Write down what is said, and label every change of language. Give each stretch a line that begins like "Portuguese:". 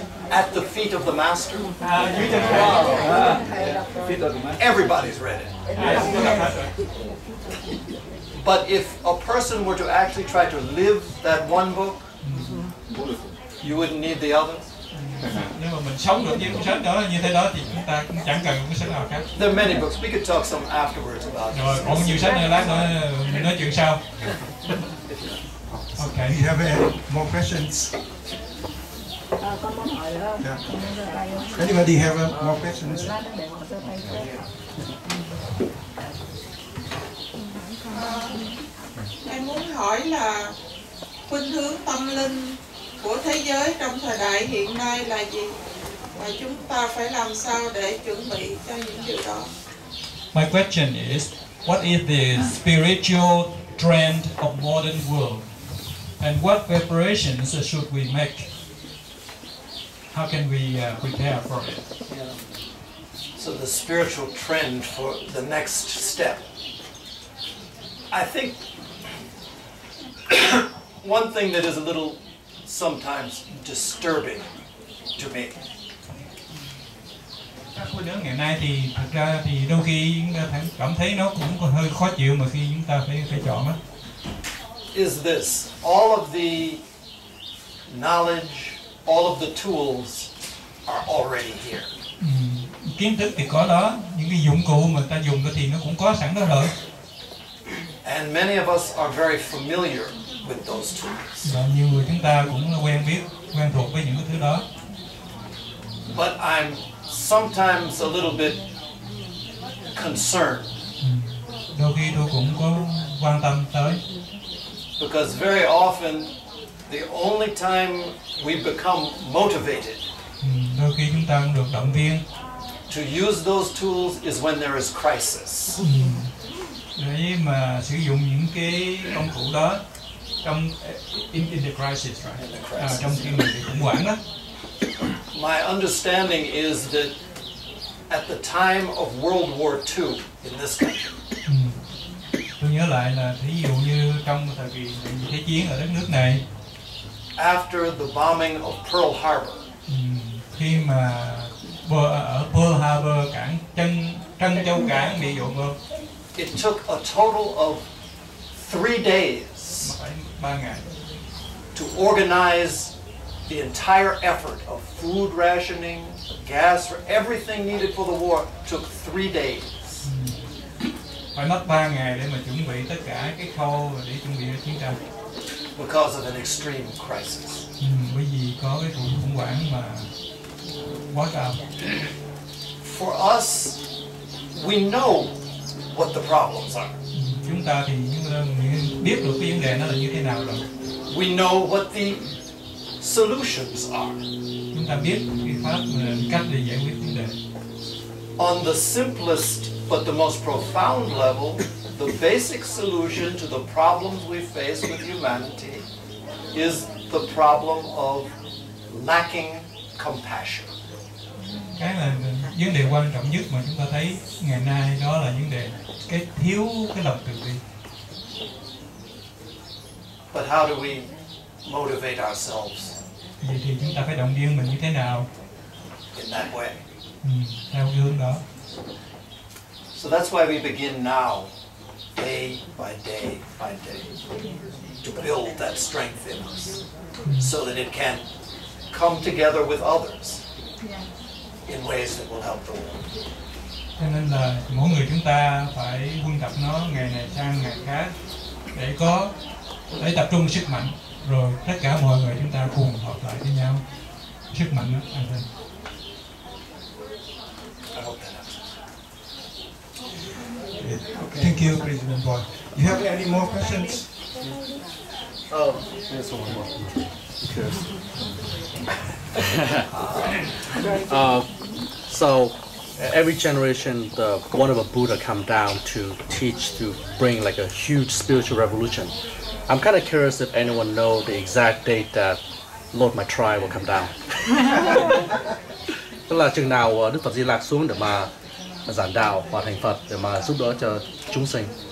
English: At the feet of the master. Everybody's read it. But if a person were to actually try to live that one book, you wouldn't need the others.
Vietnamese: Nếu mà mình sống được như cuốn sách đó như thế đó thì chúng ta cũng chẳng cần cuốn sách nào khác.
English: There are many books. We could talk some afterwards about.
Vietnamese: Rồi, còn nhiều sách nữa lát nữa mình nói chuyện sau.
English: Okay. You have any more questions? Yeah. Anybody have more questions?
Vietnamese: Em muốn hỏi là khuynh hướng tâm linh của thế giới trong thời đại hiện nay là gì? Và chúng ta phải làm sao để chuẩn bị cho những điều đó?
English: My question is, what is the spiritual trend of modern world? And what preparations should we make? How can we prepare for it? So the spiritual trend for the next step. I think one thing that is a little sometimes disturbing to me
Vietnamese: với đứa ngày nay thì thật ra thì đôi khi cảm thấy nó cũng hơi khó chịu mà khi chúng ta phải chọn á.
English: Is this all of the knowledge, all of the tools are already here?
Vietnamese: Kiến thức thì có đó, những cái dụng cụ mà ta dùng thì nó cũng có sẵn đó rồi.
English: And many of us are very familiar with those tools.
Vietnamese: Và nhiều người chúng ta cũng quen biết, quen thuộc với những cái thứ đó.
English: But I'm sometimes a little bit concerned.
Vietnamese: Đôi khi tôi cũng có quan tâm tới.
English: Because very often the only time we become motivated.
Vietnamese: Đôi khi chúng ta cũng được động viên.
English: To use those tools is when there is crisis.
Vietnamese: Đấy mà sử dụng những cái công cụ đó trong
English: in the crisis, right? In the crisis.
Vietnamese: Trong khi mình bị khủng hoảng đó.
English: My understanding is that at the time of World War II in this country.
Vietnamese: Tôi nhớ lại là thí dụ như trong thời kỳ thế chiến ở đất nước này.
English: After the bombing of Pearl Harbor.
Vietnamese: Khi mà ở Pearl Harbor cảng Chân Châu cảng bị dồn vô.
English: It took a total of 3 days.
Vietnamese: 3 ngày.
English: To organize the entire effort of food rationing, gas, for everything needed for the war took 3 days.
Vietnamese: Phải mất 3 ngày để mà chuẩn bị tất cả cái kho để chuẩn bị chiến tranh.
English: Because of an extreme crisis.
Vietnamese: Bởi vì có cái cuộc khủng hoảng mà quá cao.
English: For us, we know what the problems are.
Vietnamese: Chúng ta thì biết được cái vấn đề nó là như thế nào rồi.
English: We know what the solutions are.
Vietnamese: Chúng ta biết cái pháp cách để giải quyết vấn đề.
English: On the simplest but the most profound level, the basic solution to the problems we face with humanity is the problem of lacking compassion.
Vietnamese: Cái là vấn đề quan trọng nhất mà chúng ta thấy ngày nay đó là vấn đề cái thiếu cái lòng từ bi.
English: But how do we motivate ourselves?
Vietnamese: Vậy thì chúng ta phải động viên mình như thế nào?
English: In that way.
Vietnamese: Theo hướng đó.
English: So that's why we begin now, day by day by day, to build that strength in us, so that it can come together with others in ways that will help the world.
Vietnamese: Cho nên là mỗi người chúng ta phải huân tập nó ngày này sang ngày khác để có để tập trung sức mạnh, rồi tất cả mọi người chúng ta cùng hợp lại với nhau sức mạnh đó.
English: I hope okay. Thank you, President Boyd. You have any more questions? Oh, yes, one more. So, every generation, the one of a Buddha come down to teach, to bring like a huge spiritual revolution. I'm kind of curious if anyone know the exact date that Lord Maitreya will come down.
Vietnamese: Tức là chừng nào Đức Phật Di Lặc xuống để mà giảng đạo và thành Phật để mà giúp đỡ cho chúng sinh.